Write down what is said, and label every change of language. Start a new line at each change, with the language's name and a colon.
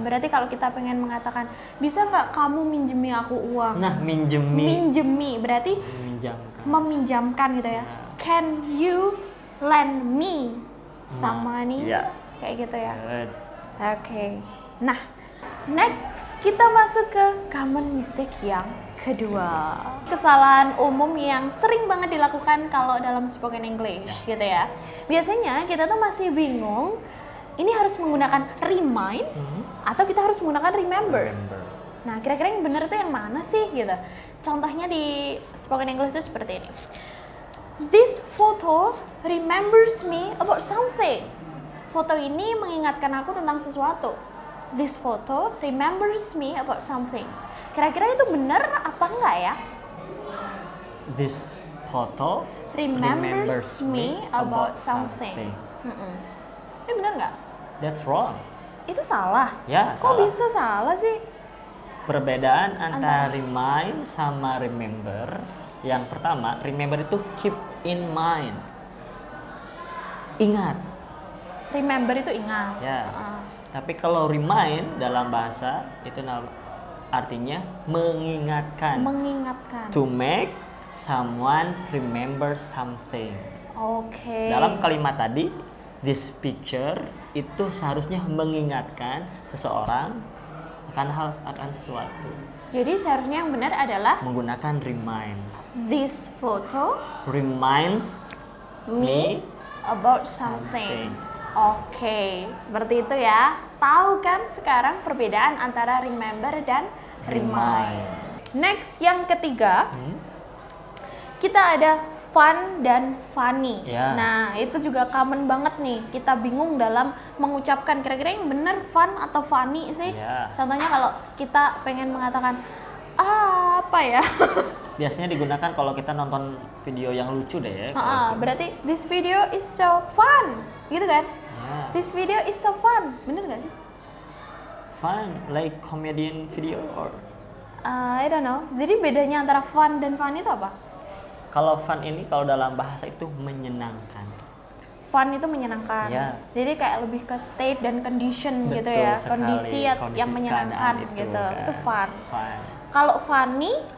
Indonesian: Berarti kalau kita pengen mengatakan, bisa enggak kamu minjemi aku uang? Nah, minjemi. Minjemi berarti meminjamkan gitu ya.
English: Can you lend me some money? Yeah.
Indonesian: Kayak gitu ya.
English: Good.
Indonesian: Okay. Nah, next kita masuk ke common mistake yang kedua. Kesalahan umum yang sering banget dilakukan kalau dalam spoken English gitu ya. Biasanya kita tuh masih bingung, ini harus menggunakan remind atau kita harus menggunakan remember. Nah, kira-kira yang benar tuh yang mana sih gitu. Contohnya di spoken English itu seperti ini.
English: This photo remembers me about something.
Indonesian: Foto ini mengingatkan aku tentang sesuatu.
English: This photo remembers me about something.
Indonesian: Kira-kira itu benar apa enggak ya?
English: This photo remembers me about something.
Indonesian: Ini benar enggak?
English: That's wrong.
Indonesian: Itu salah. Ya, kok salah. Bisa salah sih? Perbedaan antara remind sama remember. Yang pertama, remember itu
English: keep in mind.
Indonesian: Ingat. Remember itu ingat. Ya. Tapi kalau remind dalam bahasa itu artinya mengingatkan. Mengingatkan.
English: To make someone remember something. Oke. Okay.
Indonesian: Dalam kalimat tadi, this picture itu seharusnya mengingatkan seseorang akan hal akan sesuatu. Jadi seharusnya yang benar adalah menggunakan reminds.
English: This photo reminds me about something. Okay,
Indonesian: seperti itu ya. Tahu kan sekarang perbedaan antara remember dan remind. Next yang ketiga, kita ada fun dan funny.
English: Yeah.
Indonesian: Nah, itu juga common banget nih. Kita bingung dalam mengucapkan kira-kira yang benar fun atau funny sih.
English: Yeah.
Indonesian: Contohnya kalau kita pengen mengatakan apa ya? Biasanya digunakan kalau kita nonton video yang lucu deh. Berarti
English: this video is so fun,
Indonesian: gitu kan?
English: Yeah. This video is so fun,
Indonesian: benar gak sih?
English: Fun, like comedian video or? I don't know.
Indonesian: Jadi bedanya antara fun dan funny itu apa? Kalau fun ini kalau dalam bahasa itu menyenangkan. Fun itu menyenangkan. Ya. Jadi kayak lebih ke state dan condition. Betul gitu ya. Kondisi, kondisi yang menyenangkan itu, gitu. Kan. Itu fun.
English: Fun.
Indonesian: Kalau funny?